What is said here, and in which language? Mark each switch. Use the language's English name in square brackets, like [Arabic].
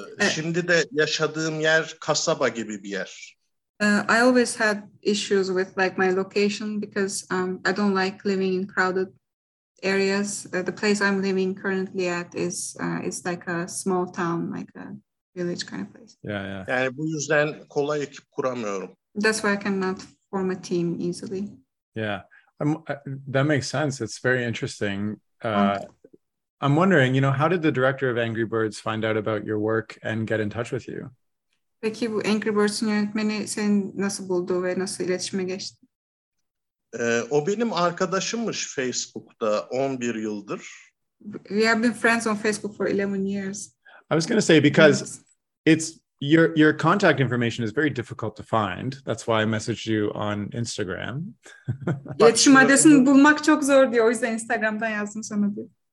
[Turkish] Şimdi de yaşadığım yer kasaba gibi bir yer. [English] I always had issues with like my location because I don't like living in crowded areas. The place I'm living currently at is like a small town, like a village kind of place. Yeah. [Turkish] Yani bu yüzden kolay ekip kuramıyorum. [English] That's why I cannot form a team easily. Yeah, that makes sense. It's very interesting. I'm wondering, you know, how did the director of Angry Birds find out about your work and get in touch with you? [Turkish] Peki bu Angry Birds'in yönetmeni seni nasıl buldu ve nasıl iletişime geçti? O benim arkadaşımmış Facebook'ta 11 yıldır. [English] We have been friends on Facebook for 11 years. I was going to say because it's your contact information is very difficult to find. That's why I messaged you on Instagram. [Turkish] İletişim adresini bulmak çok zor diyor. O yüzden Instagram'dan yazdım sana diyor.